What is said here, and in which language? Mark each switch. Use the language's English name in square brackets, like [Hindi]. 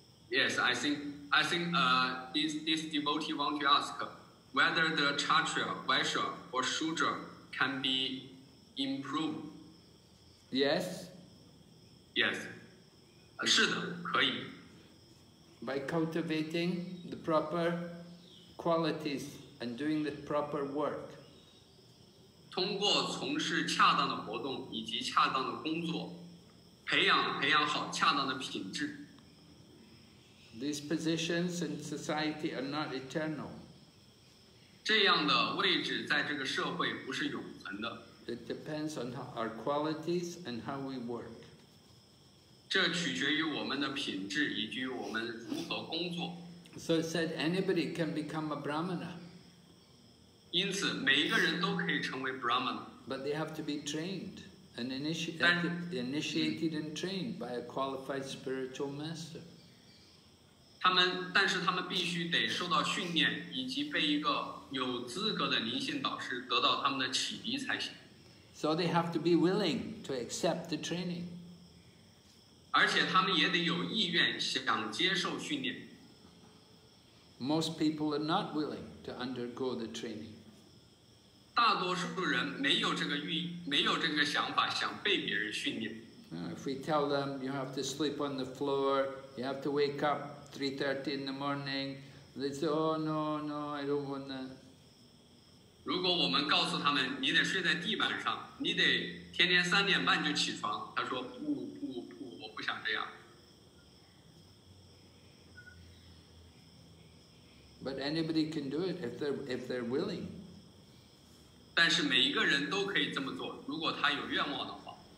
[English] Yes, I think this devotee want to ask whether the chatra, vaisha, or shudra can be improved. Yes. Yes. [Chinese] 是的，可以。 [English] By cultivating the proper qualities and doing the proper work. [Chinese] 通过从事恰当的活动以及恰当的工作，培养好恰当的品质。 [English] These positions in society are not eternal. [Chinese] 这样的位置在这个社会不是永恒的。 [English] It depends on our qualities and how we work. [Chinese] 这取决于我们的品质以及我们如何工作。 [English] So it said anybody can become a brahmana. [Chinese] 因此每一个人都可以成为 brahmana. [English] But they have to be trained and initiated and trained by a qualified spiritual master. [Chinese] 但是他们必须得受到训练，以及被一个有资格的灵性导师得到他们的启迪才行。 [English] So they have to be willing to accept the training. [Chinese] 而且他们也得有意愿想接受训练。 [English] Most people are not willing to undergo the training. [Chinese] 大多数人没有这个想法想被别人训练。 [English] If we tell them you have to sleep on the floor, you have to wake up. 3:30 in the morning, they say, "Oh no, no, I don't want that." [Chinese] 如果我们告诉他们你得睡在地板上，你得天天3:30就起床，他说不不不，我不想这样。 [English] But anybody can do it if they're willing. [Chinese] 但是每一个人都可以这么做，如果他有愿望的话。